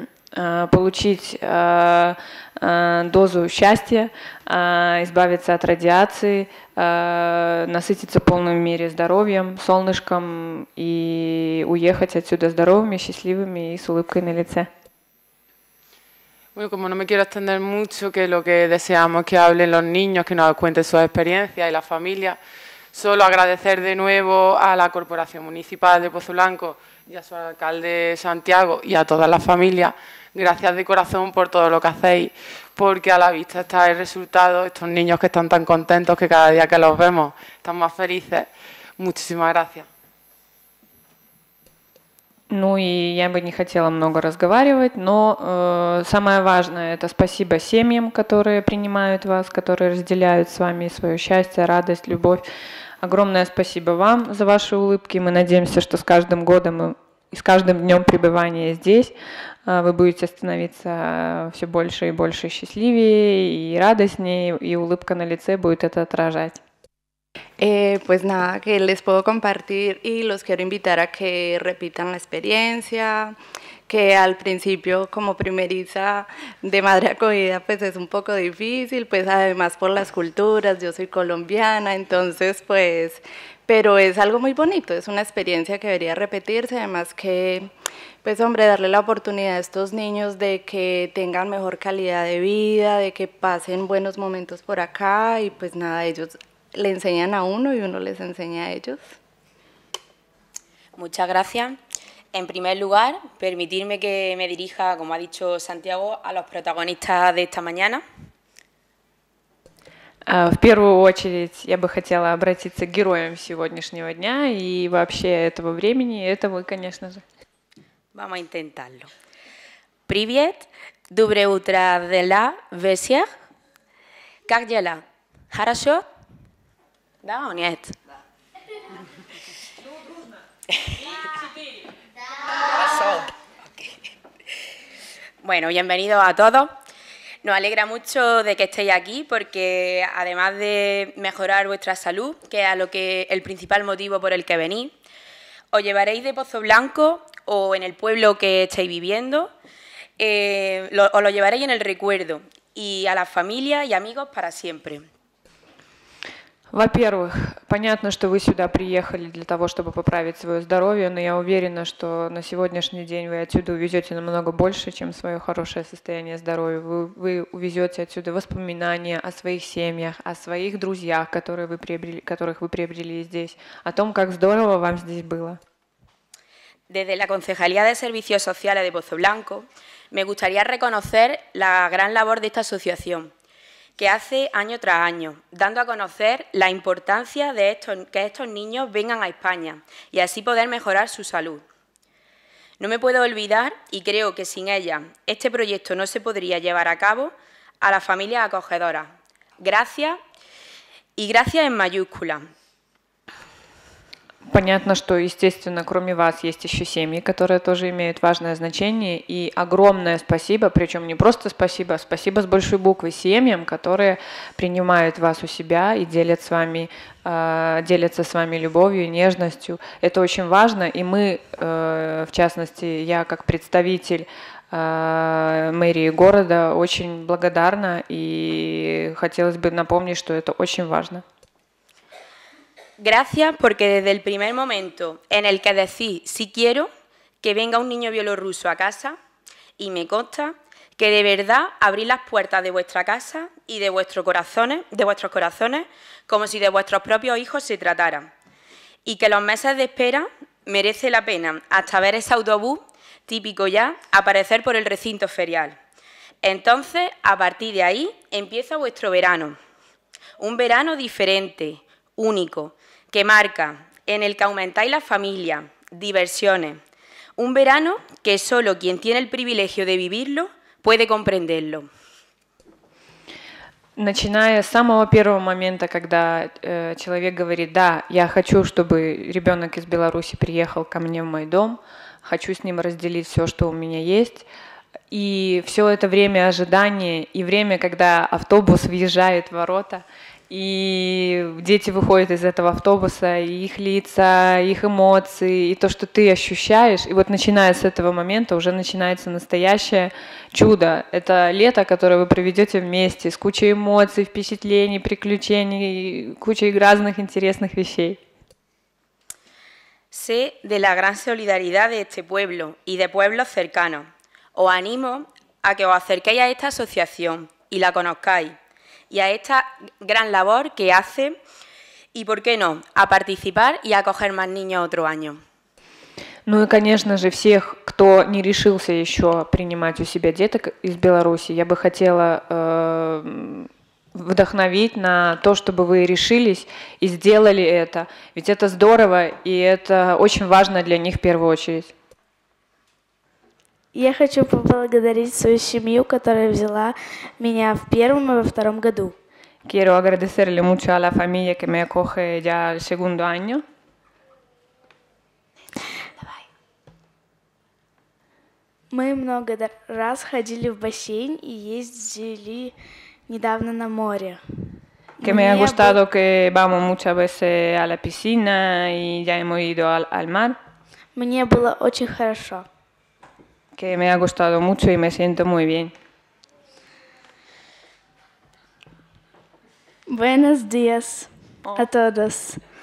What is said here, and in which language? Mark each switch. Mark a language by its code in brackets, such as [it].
[ru] получить дозу счастья, избавиться от радиации, насытиться в полной мере здоровьем, солнышком и уехать отсюда здоровыми, счастливыми и с улыбкой на лице. [es] Bueno, como no me quiero extender mucho, que lo que deseamos es que hablen los niños, que nos cuenten sus experiencias y las familias, solo agradecer de nuevo a la Corporación Municipal de Pozo Blanco y a su alcalde Santiago y a todas las familias. Gracias de corazón por todo lo que hacéis, porque a la vista está el resultado, estos niños que están tan contentos que cada día que los vemos están más felices. Muchísimas gracias. [ru] Ну и я бы не хотела много разговаривать, но самое важное – это спасибо семьям, которые принимают вас, которые разделяют с вами свое счастье, радость, любовь. Огромное спасибо вам за ваши улыбки. Мы надеемся, что с каждым годом и с каждым днем пребывания здесь вы будете становиться все больше и больше счастливее и радостнее, и улыбка на лице будет это отражать. [es] Pues nada, que les puedo compartir y los quiero invitar a que repitan la experiencia, que al principio como primeriza de madre acogida pues es un poco difícil, pues además por las culturas, yo soy colombiana, entonces pues, pero es algo muy bonito, es una experiencia que debería repetirse, además que pues hombre, darle la oportunidad a estos niños de que tengan mejor calidad de vida, de que pasen buenos momentos por acá y pues nada, ellos le enseñan a uno y uno les enseña a ellos. Muchas gracias. En primer lugar, permitirme que me dirija, como ha dicho Santiago, a los protagonistas de esta mañana. [ru] В первую очередь, я бы хотела обратиться к героям сегодняшнего дня и вообще этого времени, это вы, конечно же. [es] Vamos a intentarlo. [ru] Привет. Доброе утро, Дела, Весия. Как дела? Хорошо? Да, у меня это. [es] Bueno, bienvenidos a todos. Nos alegra mucho de que estéis aquí porque además de mejorar vuestra salud, que es a lo que el principal motivo por el que venís, os llevaréis de Pozo Blanco o en el pueblo que estéis viviendo, os lo llevaréis en el recuerdo y a las familias y amigos para siempre. [ru] Во-первых, понятно, что вы сюда приехали для того, чтобы поправить свое здоровье, но я уверена, что на сегодняшний день вы отсюда увезете намного больше, чем свое хорошее состояние здоровья. Вы увезете отсюда воспоминания о своих семьях, о своих друзьях, которых вы приобрели здесь, о том, как здорово вам здесь было. [es] Desde la Concejalía de Servicios Sociales de Pozo Blanco, me gustaría reconocer la gran labor de esta asociación, que hace año tras año, dando a conocer la importancia de que estos niños vengan a España y así poder mejorar su salud. No me puedo olvidar, y creo que sin ella, este proyecto no se podría llevar a cabo, a las familias acogedoras. Gracias, y gracias en mayúscula. [ru] Понятно, что, естественно, кроме вас есть еще семьи, которые тоже имеют важное значение. И огромное спасибо, причем не просто спасибо, а спасибо с большой буквы семьям, которые принимают вас у себя и делятся с вами любовью, нежностью. Это очень важно. И мы, в частности, я как представитель мэрии города, очень благодарна и хотелось бы напомнить, что это очень важно. [es] Gracias porque desde el primer momento en el que decís «sí quiero» que venga un niño bielorruso a casa y me consta que de verdad abrís las puertas de vuestra casa y de vuestros corazones como si de vuestros propios hijos se tratara y que los meses de espera merece la pena hasta ver ese autobús típico ya aparecer por el recinto ferial. Entonces, a partir de ahí, empieza vuestro verano. Un verano diferente, único, que marca, en el que aumentáis la familia, diversiones. Un verano que solo quien tiene el privilegio de vivirlo puede comprenderlo. [ru] Начиная с самого первого момента, когда человек говорит «Да, я хочу, чтобы ребенок из Беларуси приехал ко мне в мой дом, хочу с ним разделить все, что у меня есть». И все это время ожидания и время, когда автобус въезжает в ворота, и дети выходят из этого автобуса, и их лица, их эмоции, и то, что ты ощущаешь. И вот начиная с этого момента уже начинается настоящее чудо. Это лето, которое вы проведете вместе, с кучей эмоций, впечатлений, приключений, кучей разных интересных вещей. [es] Sé de la gran solidaridad de este pueblo y de pueblos cercanos. Os animo a que os acerquéis a esta asociación y la conozcáis. Y a esta gran labor que hace, y por qué no, a participar y a acoger más niños otro año. [ru] Ну и, конечно же, всех, кто не решился еще принимать у себя деток из Беларуси, я бы хотела вдохновить на то, чтобы вы решились и сделали это. Ведь это здорово, и это очень важно для них в первую очередь. Я хочу поблагодарить свою семью, которая взяла меня в первом и во втором году. [es] Quiero agradecerle mucho a la familia que me acoge ya el segundo año. [ru] Мы много раз ходили в бассейн и ездили недавно на море. [es] Que me ha gustado que vamos muchas veces a la piscina y ya hemos ido al mar. [ru] Мне было очень хорошо. [es] Que me ha gustado mucho y me siento muy bien. Buenos días a todos.